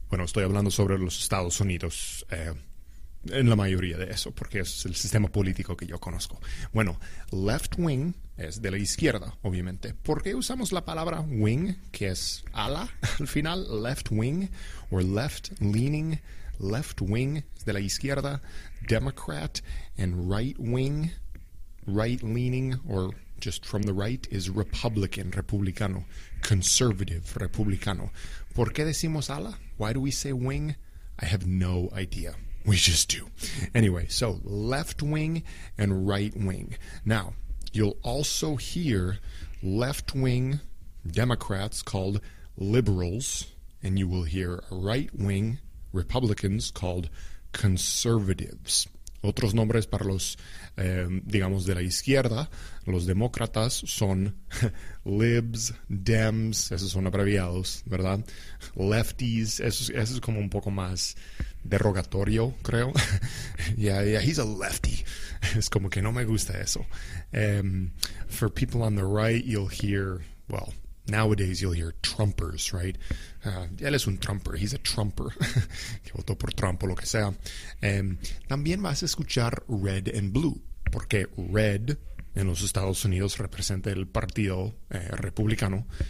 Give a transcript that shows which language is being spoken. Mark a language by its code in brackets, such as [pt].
[es] Bueno, estoy hablando sobre los Estados Unidos en la mayoría de eso, porque es el sistema político que yo conozco. Bueno, left wing es de la izquierda, obviamente. ¿Por qué usamos la palabra wing, que es ala al final? [en] Left wing or left leaning. Left wing es de la izquierda. Democrat and right wing, right leaning or just from the right, is Republican, republicano, conservative, republicano. ¿Por qué decimos ala? Why do we say wing? I have no idea. We just do. Anyway, so left wing and right wing. Now, you'll also hear left wing Democrats called liberals, and you will hear right wing Republicans called conservatives. [es] Otros nombres para los, digamos, de la izquierda, los demócratas, son libs, dems, esos son abreviados, ¿verdad? Lefties, eso es como un poco más derogatorio, creo. yeah, he's a lefty. Es como que no me gusta eso. [en] For people on the right, you'll hear, well, nowadays you'll hear Trumpers, right? [es] Él es un Trumper. He's a Trumper. Que votó por Trump o lo que sea. También vas a escuchar red and blue. Porque red en los Estados Unidos representa el partido republicano.